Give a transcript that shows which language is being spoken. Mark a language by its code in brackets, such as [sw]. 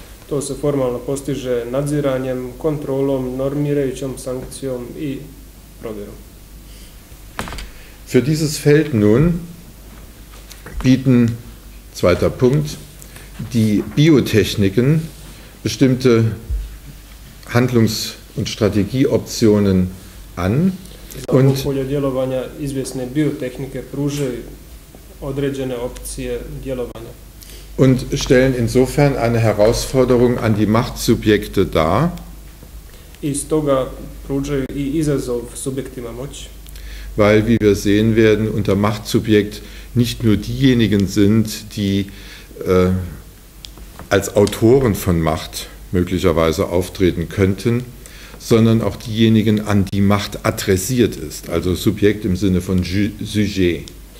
[hr] To se formalno postiže nadziranjem, kontrolom, normirajućom sankcijom i provjerom. [de] Für dieses Feld nun bieten, zweiter Punkt, die Biotechniken bestimmte Handlungs- und Strategieoptionen an. [hr] Und polje djelovanja izvjesne biotehnike pružaju određene opcije djelovanja. [de] Und stellen insofern eine Herausforderung an die Machtsubjekte dar. [hr] Iz toga pružaju i izazov subjektima moći. [de] Weil, wie wir sehen werden, unter Machtsubjekt nicht nur diejenigen sind, die als Autoren von Macht möglicherweise auftreten könnten, sondern auch diejenigen, an die Macht adressiert ist, also Subjekt im Sinne von Sujet.